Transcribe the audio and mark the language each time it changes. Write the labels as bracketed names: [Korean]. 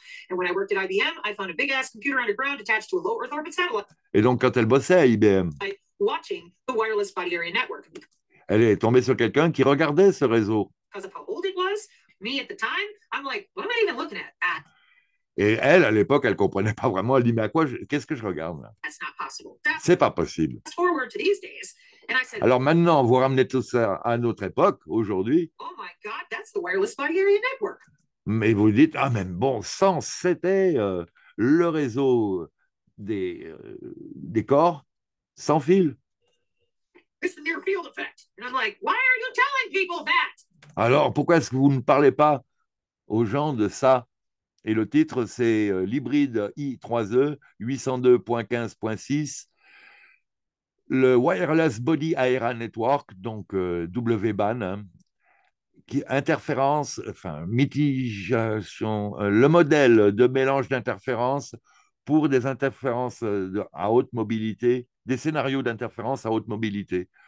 [English] And when I worked at IBM, I found a big ass computer underground attached to a low Earth orbit satellite. [French] Et donc quand elle bossait à IBM, [English] watching the wireless body area network. [French] Elle est tombée sur quelqu'un qui regardait ce réseau. [English] Because of how old it was, me at the time, I'm like, what am I even looking at? [French] Et elle, à l'époque, elle ne comprenait pas vraiment. Elle dit, mais à quoi, qu'est-ce que je regarde là? [English] That's not possible. [French] That's... C'est pas possible. [English] Fast forward to these days. And I said, [French] alors maintenant, vous ramenez tout ça à notre époque, aujourd'hui. [English] Oh my God, that's the wireless body area network. [French] Mais vous dites, ah, mais bon sang, c'était le réseau des corps sans fil. [English] It's the near field effect. And I'm like, why are you telling people that? [French] Alors, pourquoi est-ce que vous ne parlez pas aux gens de ça? Et le titre, c'est l'hybride I3E 802.15.6, le Wireless Body Area Network, donc WBAN, hein, qui interférence, enfin mitigation, le modèle de mélange d'interférences pour des interférences à haute mobilité, des scénarios d'interférences à haute mobilité.